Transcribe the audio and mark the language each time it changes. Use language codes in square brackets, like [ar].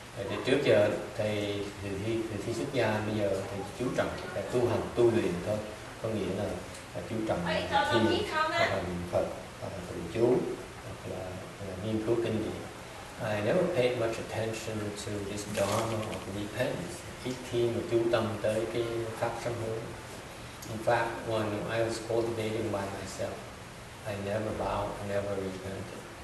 [vi] Thì trước giờ thầy thì xuất gia bây giờ thầy chú trọng tu hành tu luyện thôi, có nghĩa là chú trọng thiền hoặc là niệm Phật hoặc là tụng chú hoặc là nghiên cứu kinh điển. [en] I never paid much attention to this dharma of repentance. [vi] Ít khi mà chú tâm tới cái pháp sám hối. [en] In fact, when I was cultivating by myself, I never bowed, never repented.